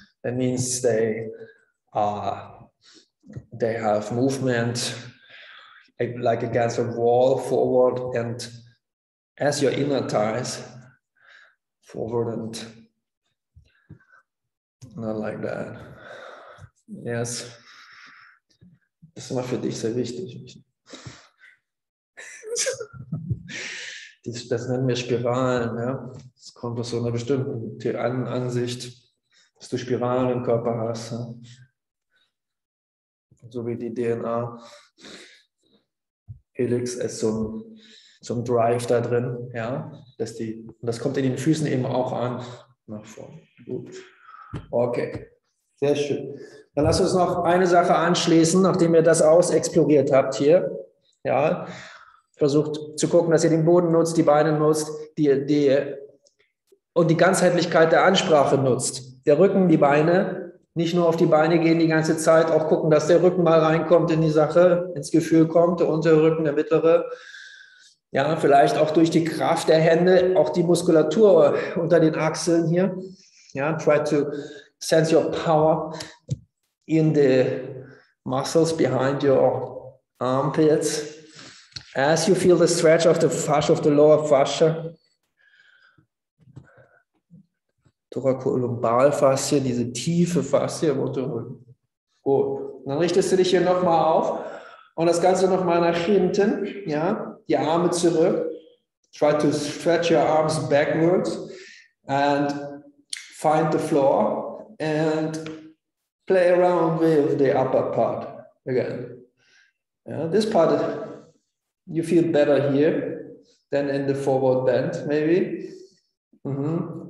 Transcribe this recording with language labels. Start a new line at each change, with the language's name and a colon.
English: That means they have movement like against a wall, forward and as your inner thighs, forward and not like that.
German: Yes. Das ist immer für dich sehr wichtig. Das nennen wir Spiralen. Ja? Das kommt aus so einer bestimmten Ansicht, dass du Spiralen im Körper hast. Ja? So wie die DNA. Helix ist so ein Drive da drin. Ja? Dass die, und das kommt in den Füßen eben auch an. Nach vorne. Gut. Okay. Sehr schön. Dann lass uns noch eine Sache anschließen, nachdem ihr das ausexploriert habt hier. Ja. Versucht zu gucken, dass ihr den Boden nutzt, die Beine nutzt, und die Ganzheitlichkeit der Ansprache nutzt. Der Rücken, die Beine, nicht nur auf die Beine gehen die ganze Zeit, auch gucken, dass der Rücken mal reinkommt in die Sache, ins Gefühl kommt, der untere Rücken, der mittlere. Ja, vielleicht auch durch die Kraft der Hände, auch die Muskulatur unter den Achseln hier.
English: Ja, try to sense your power in the muscles behind your armpits. As you feel the stretch of the fascia, of the lower fascia, thoracolumbalfascia,
German: diese tiefe Fascia im Unterrücken. Gut, dann richtest du dich hier nochmal auf und das Ganze nochmal nach hinten, ja, die Arme zurück.
English: Try to stretch your arms backwards and find the floor and play around with the upper part again. Yeah, this part is, you feel better here than in the forward bend, maybe. Mm-hmm.